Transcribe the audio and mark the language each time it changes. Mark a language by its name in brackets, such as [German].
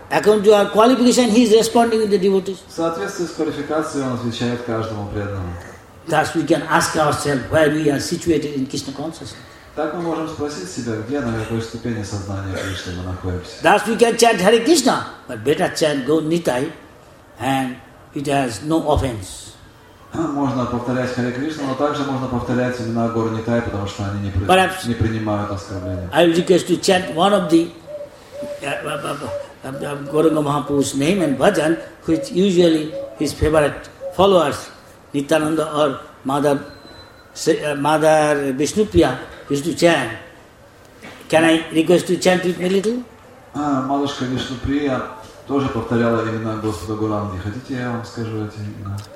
[English] According to our qualification, he is responding to the devotees. [Russian] В соответствии с квалификацией, он отвечает каждому преданному. [English] Thus we can ask ourselves where we are situated in Krishna consciousness. [Russian] Так мы можем спросить себя, где, на какой ступени сознания Кришны мы находимся. [English] Thus we can chant Hare Krishna, but better chant Gaur Nitai, and it has no offense. [Russian] можно повторять Харе Кришну, но также можно повторять имена Гор Нитай, потому что они не принимают оскорбления. [English] I will request to chant one of the Gauranga Mahaprabhu's name and bhajan, which usually his favorite followers, Nityananda or Mother Vishnupriya, used to chant. Can I request to chant with me a little? [Russian] Матушка Вишнуприя тоже повторяла имена Господа Гуранги. Хотите, я вам скажу эти имена?